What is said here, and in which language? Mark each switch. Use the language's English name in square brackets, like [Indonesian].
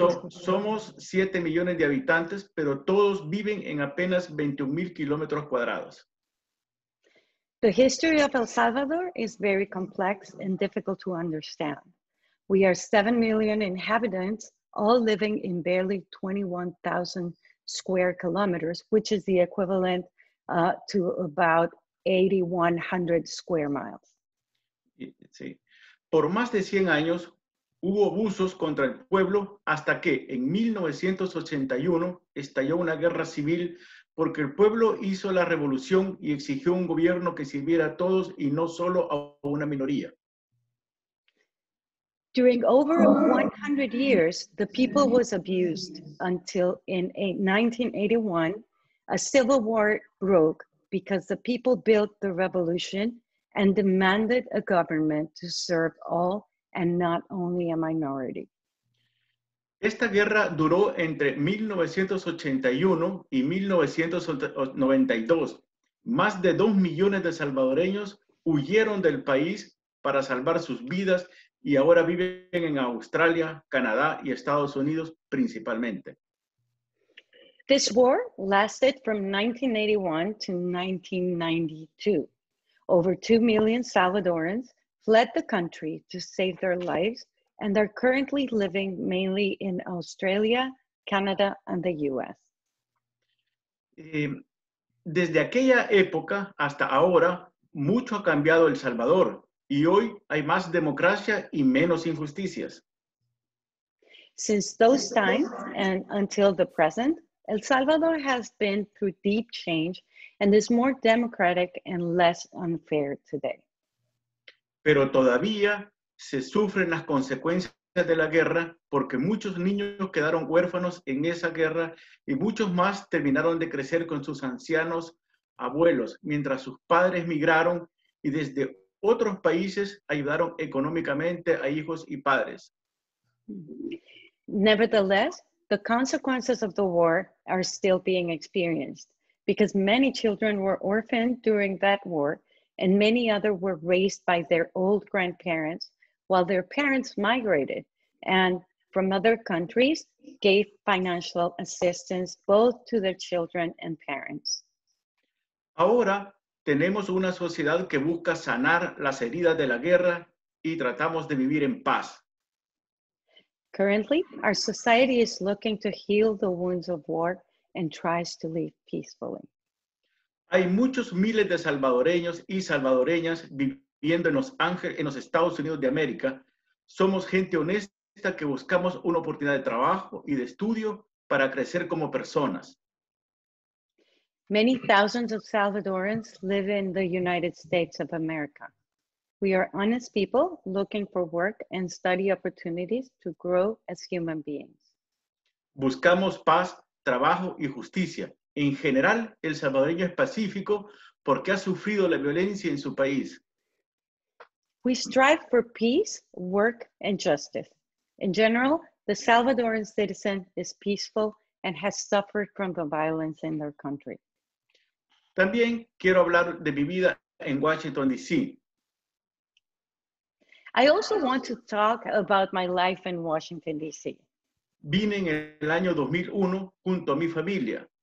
[Spanish] Somos 7 millones de habitantes, pero todos viven en apenas 21,000 kilómetros cuadrados. [English] The history of El Salvador is very complex and difficult to understand. We are 7 million inhabitants, all living in barely 21,000 square kilometers, which is the equivalent to about 8,100 square miles. [Spanish] Sí. Por más de 100 años, hubo abusos contra el pueblo hasta que en 1981 estalló una guerra civil porque el pueblo hizo la revolución y exigió un gobierno que sirviera a todos y no solo a una minoría. [English] During over 100 years, the people was abused until in 1981, a civil war broke because the people built the revolution and demanded a government to serve all and not only a minority. [Spanish] Esta guerra duró entre 1981 y 1992. Más de 2 millones de salvadoreños huyeron del país para salvar sus vidas y ahora viven en Australia, Canadá y Estados Unidos principalmente. [English] This war lasted from 1981 to 1992. Over 2 million Salvadorans fled the country to save their lives and are currently living mainly in Australia, Canada and the US. [Spanish] Desde aquella época hasta ahora, mucho ha cambiado El Salvador. Y hoy hay más democracia y menos injusticias. [English] Since those times and until the present, El Salvador has been through deep change and is more democratic and less unfair today. [Spanish] Pero todavía se sufren las consecuencias de la guerra porque muchos niños quedaron huérfanos en esa guerra y muchos más terminaron de crecer con sus ancianos abuelos mientras sus padres migraron y desde otros países ayudaron económicamente a hijos y padres. [English] Nevertheless, the consequences of the war are still being experienced because many children were orphaned during that war and many others were raised by their old grandparents while their parents migrated and from other countries gave financial assistance both to their children and parents. [Spanish] Ahora, tenemos una sociedad que busca sanar las heridas de la guerra y tratamos de vivir en paz. [English] Currently, our society is looking to heal the wounds of war and tries to live peacefully. [Spanish] Hay muchos miles de salvadoreños y salvadoreñas viviendo en Los Ángeles, en los Estados Unidos de América. Somos gente honesta que buscamos una oportunidad de trabajo y de estudio para crecer como personas. [English] Many thousands of Salvadorans live in the United States of America. We are honest people looking for work and study opportunities to grow as human beings. [Spanish] Buscamos paz, trabajo y justicia. En general, el salvadoreño es pacífico porque ha sufrido la violencia en su país. [English] We strive for peace, work, and justice. In general, the Salvadoran citizen is peaceful and has suffered from the violence in their country. [Spanish] También quiero hablar de mi vida en Washington, D.C. [English] I also want to talk about my life in Washington, D.C. [Spanish] Vine en el año 2001 junto a mi familia.